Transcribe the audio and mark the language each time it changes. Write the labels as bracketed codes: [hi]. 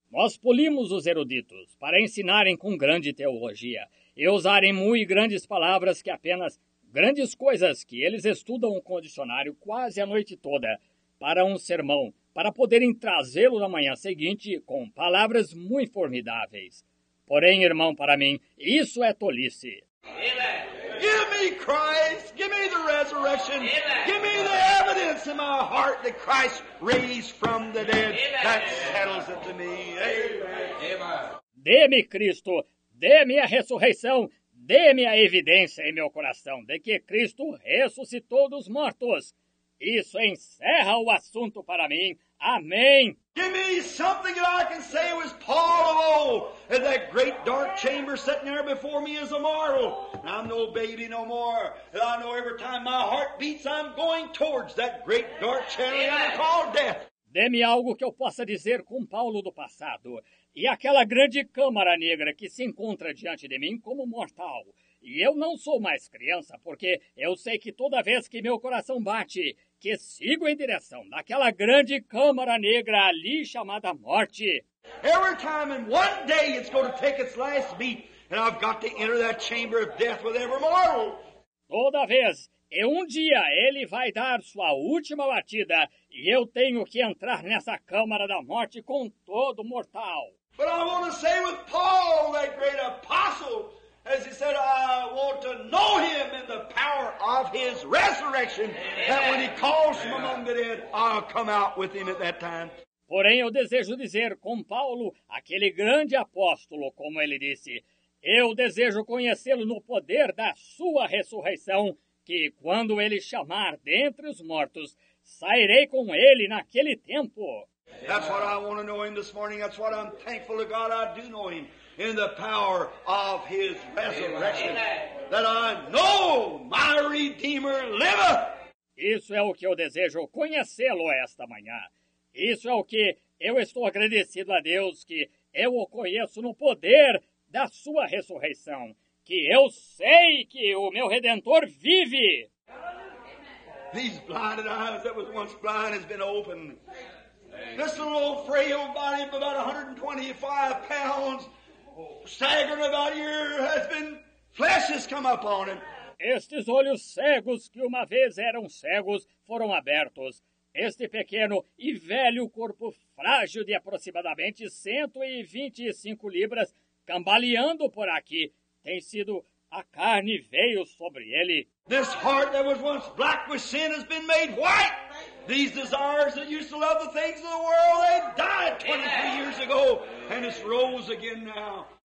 [pt] Nós polimos os eruditos para ensinarem com grande teologia e usarem muito grandes palavras que apenas grandes coisas que eles estudam com o dicionário quase a noite toda para um sermão, para poderem trazê-lo na manhã seguinte com palavras muito formidáveis. Porém, irmão, para mim, isso é tolice. [en] Give me Christ, give me the resurrection, give me the evidence in my heart that Christ raised from the dead. That settles it to me. Amen. [pt] Dê-me Cristo, dê-me a ressurreição, dê-me a evidência em meu coração de que Cristo ressuscitou dos mortos. Isso encerra o assunto para mim. Amém. [en] Give me something that I can say was Paul of old. And that great dark chamber sitting there before me is a marvel. And I'm no baby no more. And I know every time my heart beats, I'm going towards that great dark chamber called death. [pt] Dê-me algo que eu possa dizer com Paulo do passado. E aquela grande câmara negra que se encontra diante de mim como mortal. E eu não sou mais criança, porque eu sei que toda vez que meu coração bate, que sigo em direção daquela grande câmara negra ali chamada morte. [en] Every time in one day it's going to take its last beat, and I've got to enter that chamber of death with every mortal. [pt] Toda vez, e um dia ele vai dar sua última batida, e eu tenho que entrar nessa câmara da morte com todo mortal. [en] But I want to say with Paul, that great apostle, as he said, I want to know him in the power of his resurrection. That when he calls from among the dead, I'll come out with him at that time. [pt] Porém, eu desejo dizer com Paulo, aquele grande apóstolo, como ele disse, eu desejo conhecê-lo no poder da sua ressurreição, que quando ele chamar dentre os mortos, sairei com ele naquele tempo. [en] That's what I want to know him this morning. That's what I'm thankful to God I do know him. In the power of his resurrection. Amen. That I know my Redeemer liveth. [pt] Isso é o que eu desejo conhecê-lo esta manhã. Isso é o que eu estou agradecido a Deus que eu o conheço no poder da sua ressurreição. Que eu sei que o meu Redentor vive. [en] These blinded eyes that was once blind has been opened. This little old frail body of about 125 pounds staggering about here has been flesh has come upon him. [pt] Estes olhos cegos que uma vez eram cegos foram abertos. Este pequeno e velho corpo frágil de aproximadamente 125 libras cambaleando por aqui tem sido a carne veio sobre ele. [en] This heart that was once black with sin has been made white. These desires that used to love the things of the world, they died 23 years ago and it's rose again now.